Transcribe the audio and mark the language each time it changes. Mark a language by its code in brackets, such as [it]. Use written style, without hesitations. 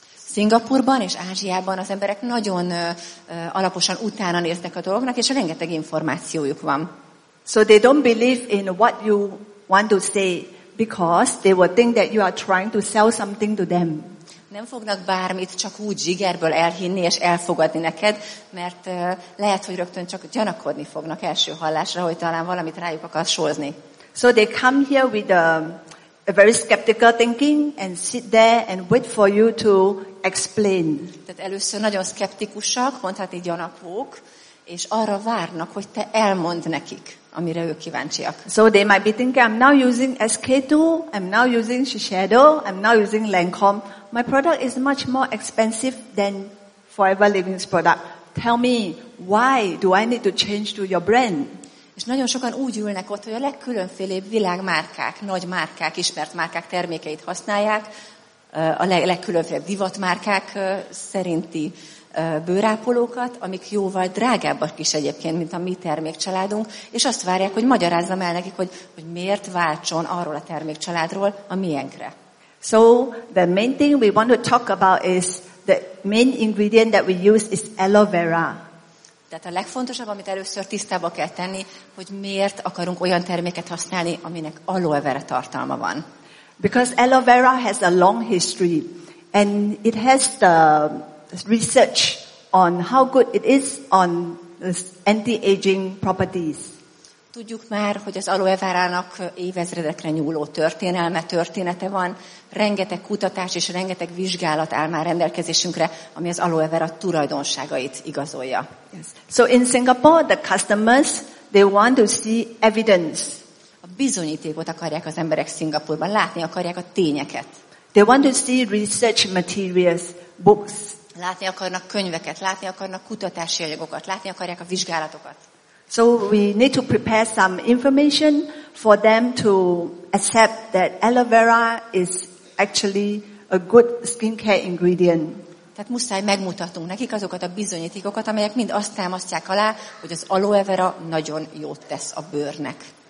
[hu] Szingapurban és Ázsiában az emberek nagyon alaposan utána néznek a dolgoknak, és rengeteg információjuk van. [en] So they don't believe in what you want to say, because they will think that you are trying to sell something to them. [hu] Nem fognak bármit csak úgy zsigerből elhinni és elfogadni neked, mert lehet, hogy rögtön csak gyanakodni fognak első hallásra, hogy talán valamit rájuk akarsz sózni. [en] So they come here with a very skeptical thinking and sit there and wait for you to explain. [hu] Tehát először nagyon szkeptikusak, mondhatni gyanakvók, és arra várnak, hogy te elmondd nekik, amire ők kíváncsiak. [en] So they might be thinking, I'm now using SK2, I'm now using Shiseido, I'm now using Lancome. My product is much more expensive than Forever Living's product. Tell me, why do I need to change to your brand? [hu] És nagyon sokan úgy ülnek ott, hogy a legkülönfélébb világmárkák, nagy márkák, ismert márkák termékeit használják, a legkülönfélebb divatmárkák szerinti bőrápolókat, amik jóval drágábbak is egyébként, mint a mi termékcsaládunk, és azt várják, hogy magyarázzam el nekik, hogy miért váltson arról a termékcsaládról a miénkre. [en] So the main thing we want to talk about is the main ingredient that we use is aloe vera. [hu] Tehát a legfontosabb, amit először tisztába kell tenni, hogy miért akarunk olyan terméket használni, aminek aloe vera tartalma van. [en] Because aloe vera has a long history and it has the research on how good it is on anti-aging properties. [hu] Tudjuk már, hogy az aloe verának évezredekre nyúló történelme, története van. Rengeteg kutatás és rengeteg vizsgálat áll már rendelkezésünkre, ami az aloe vera tulajdonságait igazolja. [en] Yes. So in Singapore, the customers, they want to see evidence. [hu] A bizonyítékot akarják az emberek Szingapurban, látni akarják a tényeket. [en] They want to see research materials, books. [hu] Látni akarnak könyveket, látni akarnak kutatási anyagokat, látni akarják a vizsgálatokat. [en] So we need to prepare some information for them to accept that aloe vera is actually a good skincare ingredient. [hu] Tehát muszáj megmutatunk nekik azokat a bizonyítékokat, amelyek mind azt támasztják alá, hogy az aloe vera nagyon jót tesz a bőrnek.